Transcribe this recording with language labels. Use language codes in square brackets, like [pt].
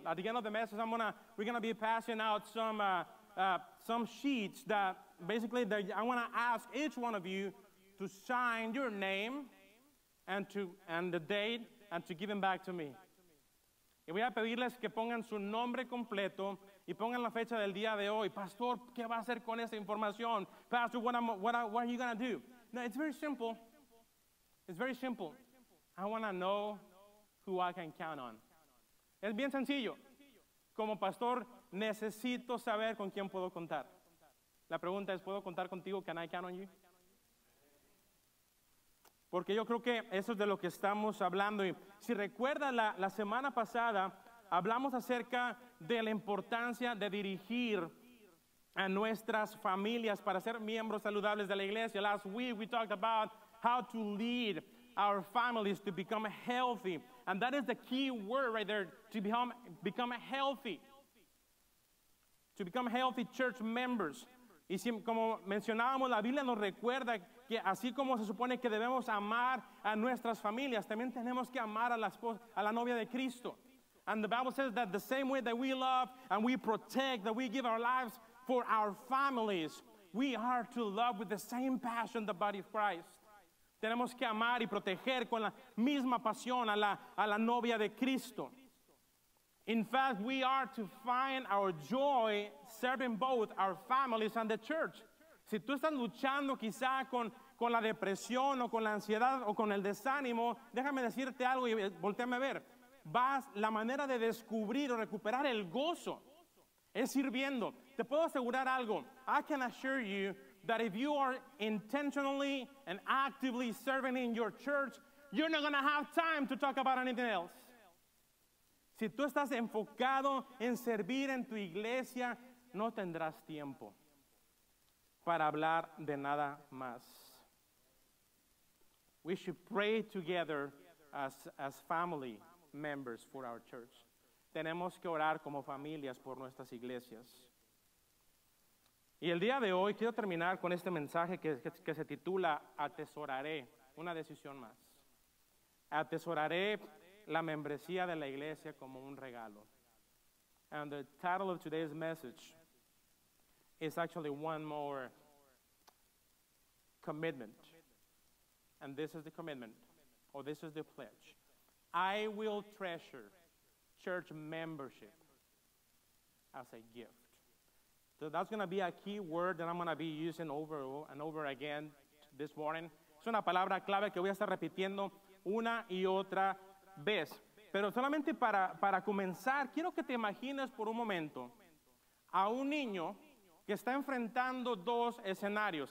[en] At the end of the message, we're gonna be passing out some sheets that basically that I want to ask each one of you to sign your name and the date and to give them back to me. [es] Y voy a pedirles que pongan su nombre completo y pongan la fecha del día de hoy. Pastor, ¿qué va a hacer con esa información? [en] Pastor, what are you going to do? No, it's very simple. It's very simple. I want to know who I can count on. [es] Es bien sencillo. Como pastor, necesito saber con quién puedo contar. La pregunta es, ¿puedo contar contigo? [en] Can I count on you? [es] Porque yo creo que eso es de lo que estamos hablando. Y si recuerdas, la semana pasada hablamos acerca de la importancia de dirigir a nuestras familias para ser miembros saludables de la iglesia. [en] Last week we talked about how to lead our families to become healthy. And that is the key word right there, to become healthy. To become healthy church members. [es] Y si, como mencionábamos, la Biblia nos recuerda que así como se supone que debemos amar a nuestras familias, también tenemos que amar a la novia de Cristo. [en] And the Bible says that the same way that we love and we protect, that we give our lives for our families, we are to love with the same passion the body of Christ. [es] Tenemos que amar y proteger con la misma pasión a la novia de Cristo. [en] In fact, we are to find our joy serving both our families and the church. [es] Si tú estás luchando quizá con la depresión o con la ansiedad o con el desánimo, déjame decirte algo y volteame a ver. La manera de descubrir o recuperar el gozo es sirviendo. Te puedo asegurar algo. [en] I can assure you that if you are intentionally and actively serving in your church, you're not going to have time to talk about anything else. [es] Si tú estás enfocado en servir en tu iglesia, no tendrás tiempo para hablar de nada más. [en] We should pray together as family members for our church. [es] Tenemos que orar como familias por nuestras iglesias. Y el día de hoy quiero terminar con este mensaje que se titula Atesoraré, una decisión más. Atesoraré la membresía de la iglesia como un regalo. [en] And the title of today's message is actually one more commitment. And this is the commitment, or this is the pledge. I will treasure church membership as a gift. So that's going to be a key word that I'm going to be using over and over again this morning. [es] Es una palabra clave que voy a estar repitiendo una y otra vez. Pero solamente para comenzar, quiero que te imagines por un momento a un niño que está enfrentando dos escenarios.